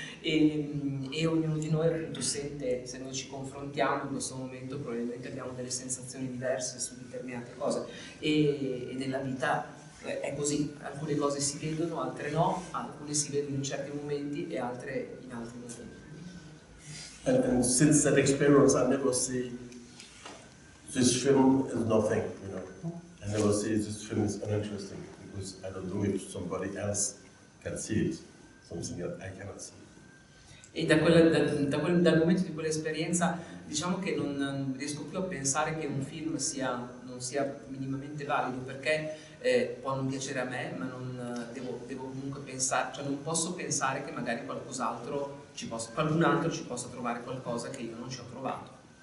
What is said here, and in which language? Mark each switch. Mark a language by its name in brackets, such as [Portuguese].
[Italian] e ognuno di noi appunto sente, se noi ci confrontiamo in questo momento probabilmente abbiamo delle sensazioni diverse su determinate cose, e nella vita è così, alcune cose si vedono, altre no, alcune si vedono in certi momenti e altre in altri momenti. [English] And since that experience, I never see this film as nothing, you know. I never see this film as uninteresting because I don't know if somebody else can see it, something that I cannot see. [Italian] E da quella, dal momento di quell'esperienza, diciamo che non riesco più a pensare che un film sia, non sia minimamente valido, perché può non piacere a me, ma non devo comunque pensare, cioè non posso pensare che magari qualcun altro ci possa trovare qualcosa che io non ci ho trovato.